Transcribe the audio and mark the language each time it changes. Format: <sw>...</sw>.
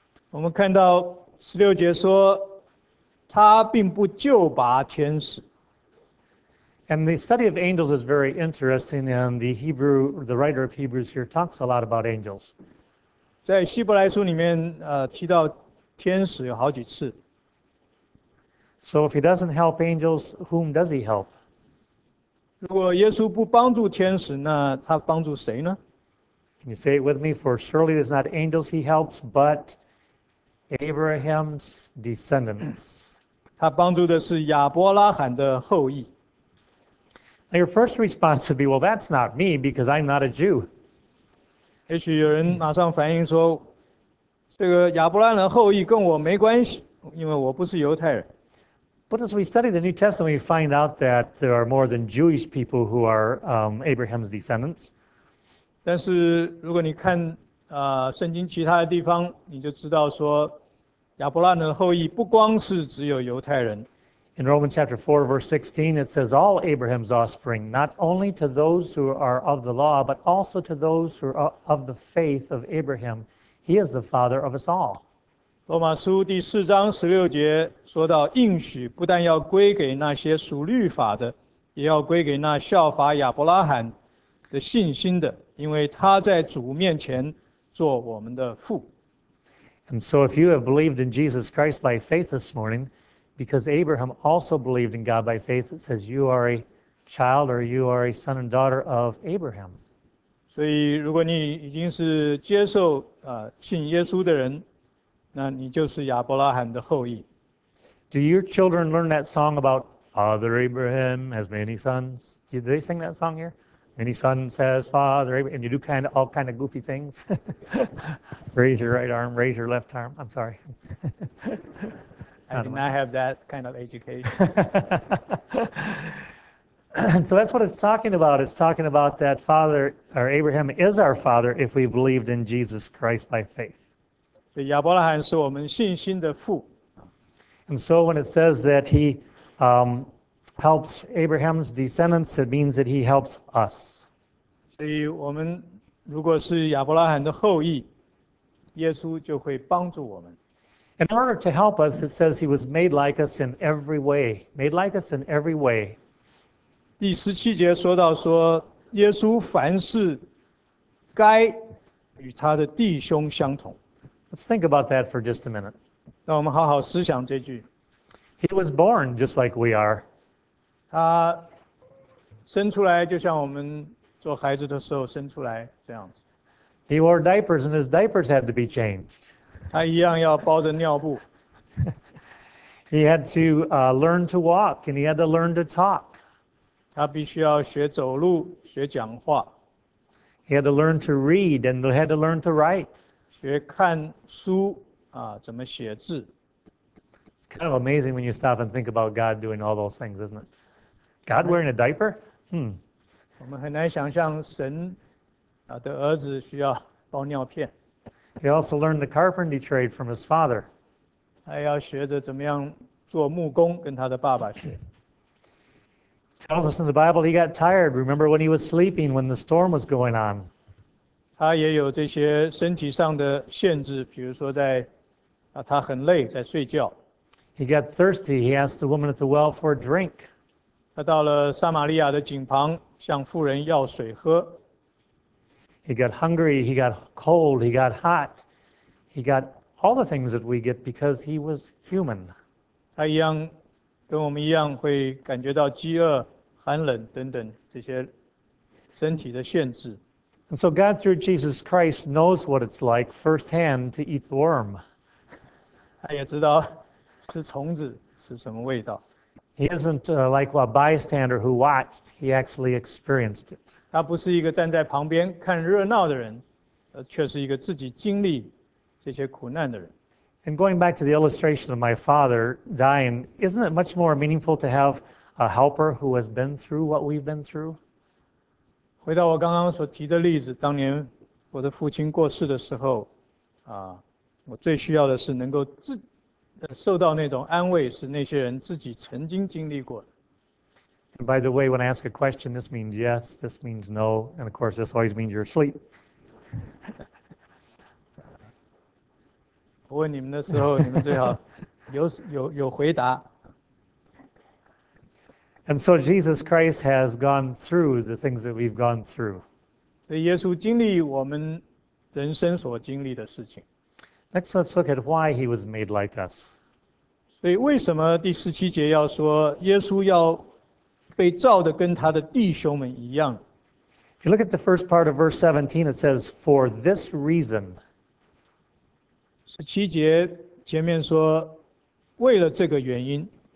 <zh>我们看到十六节说，他并不救拔天使。</zh> <en>And the study of angels is very interesting. And the writer of Hebrews here talks a lot about angels.</en> <zh>在希伯来书里面，提到天使有好几次。</zh> <en>So if he doesn't help angels, whom does he help?</en> <zh>如果耶稣不帮助天使，那他帮助谁呢？</zh> <en>Can you say it with me? For surely it is not angels he helps, but Abraham's descendants.</en> <zh>他帮助的是亚伯拉罕的后裔。</zh> <en>Now your first response would be, well, that's not me because I'm not a Jew.</en> <zh>也许有人马上反应说，这个亚伯拉罕的后裔跟我没关系，因为我不是犹太人。</zh> <en>But as we study the New Testament, we find out that there are more than Jewish people who are Abraham's descendants.</en> <zh>但是如果你看圣经其他的地方，你就知道说亚伯拉罕的后裔不光是只有犹太人。</zh> <en>In Romans chapter 4, verse 16, it says, all Abraham's offspring, not only to those who are of the law, but also to those who are of the faith of Abraham. He is the father of us all.</en> <zh>罗马书第四章十六节说到，应许不但要归给那些属律法的，也要归给那效法亚伯拉罕的信心的，因为他在主面前做我们的父。</zh> <en>And so if you have believed in Jesus Christ by faith this morning,Because Abraham also believed in God by faith, it says you are a child or you are a son and daughter of Abraham.</en> <zh>所以如果你已经是接受信耶稣的人，那你就是亚伯拉罕的后裔。</zh> <en>Do your children learn that song about Father Abraham has many sons? Do they sing that song here? Many sons has Father Abraham, and you do kind of, all kind of goofy things. Raise your right arm, raise your left arm. I'm sorry. I did not have that kind of education. So that's what it's talking about. It's talking about that Father, or Abraham is our father if we believed in Jesus Christ by faith.</en> <zh>So, 亚伯拉罕是我们信心的父。</zh> <en>And so when it says that he helps Abraham's descendants, it means that he helps us.</en> <zh>所以我们如果是亚伯拉罕的后裔，耶稣就会帮助我们。</zh> <en>In order to help us, it says he was made like us in every way. Made like us in every way.</en> <zh>第十七节说到说，耶稣凡事该与他的弟兄相同。</zh> <en>Let's think about that for just a minute.</en> <zh>让我们好好思想这句。</zh> <en>He was born just like we are.</en> <zh>他生出来就像我们做孩子的时候生出来这样子。</zh> <en>He wore diapers and his diapers had to be changed.</en> <zh>他一样要包着尿布。</zh> <en>He had to learn to walk, and he had to learn to talk.</en> <zh>他必须要学走路，学讲话。</zh> <en>He had to learn to read, and he had to learn to write.</en> <zh>学看书啊，怎么写字。</zh> <en>It's kind of amazing when you stop and think about God doing all those things, isn't it? God wearing a diaper?</en> <zh>我们很难想象神的儿子需要包尿片。</zh> <en>He also learned the carpentry trade from his father.</en> <zh>他要学着怎么样做木工，跟他的爸爸学。</zh> <en>Tells us in the Bible he got tired. Remember when he was sleeping when the storm was going on.</en> <zh>他也有这些身体上的限制，比如说在他很累，在睡觉。</zh> <en>He got thirsty. He asked the woman at the well for a drink.</en> <zh>他到了撒玛利亚的井旁，向妇人要水喝。</zh> <en>He got hungry, he got cold, he got hot. He got all the things that we get because he was human.</en> <zh>他一样跟我们一样会感觉到饥饿、寒冷等等这些身体的限制。</zh> <en>And so God through Jesus Christ knows what it's like firsthand to eat the worm.</en> <zh>他也知道吃虫子是什么味道。</zh> <en>He isn't like a bystander who watched, he actually experienced it.</en> <zh>他不是一个站在旁边看热闹的人，而却是一个自己经历这些苦难的人。</zh> <en>And going back to the illustration of my father dying, isn't it much more meaningful to have a helper who has been through what we've been through?</en> <zh>回到我刚刚所提的例子，当年我的父亲过世的时候，我最需要的是能够自己受到那种安慰是那些人自己曾经经历过的。</zh> <en>And by the way, when I ask a question, this means yes, this means no, and of course, this always means you're asleep.</en> <zh>我问你们的时候，你们最好有回答。</zh> <en>And so Jesus Christ has gone through the things that we've gone through.</en> <zh>耶稣经历我们人生所经历的事情。</zh> <en>Next, let's look at why he was made like us.</en> <zh>所以为什么第十七节要说耶稣要被造得跟他的弟兄们一样？</zh> <en>If you look at the first part of verse 17, it says, for this reason.</en> <zh>十七节前面说为了这个原因。</zh>